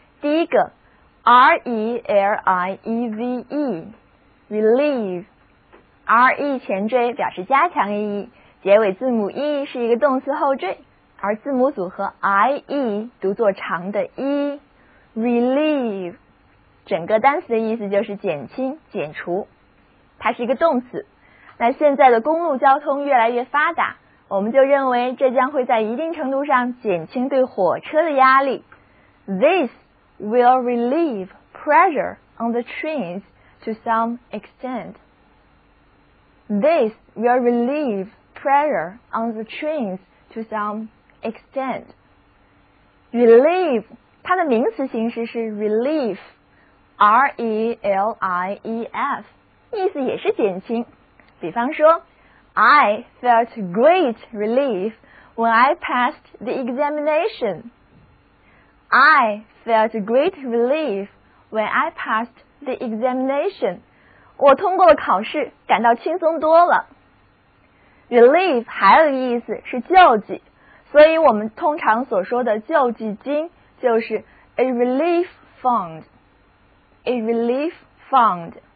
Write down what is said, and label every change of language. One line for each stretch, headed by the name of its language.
Chinese: 第一个 RELIEVE， relieve， RE 前缀表示加强意义，结尾字母 E 是一个动词后缀，而字母组合 IE 读作长的 E， relieve， 整个单词的意思就是减轻、减除，它是一个动词。那现在的公路交通越来越发达，我们就认为这将会在一定程度上减轻对火车的压力。
English: This will relieve pressure on the trains to some extent. This will relieve pressure on the trains to some extent.
Chinese: Relieve, 它的名词形式是 relief, R-E-L-I-E-F, 意思也是减轻。比方说
English: I felt great relief when I passed the examination. I felt great relief when I passed the examination.
Chinese: 我通过了考试，感到轻松多了。 Relief 还有一个意思是救济，所以我们通常所说的救济金就是
English: a relief fund. A relief fund.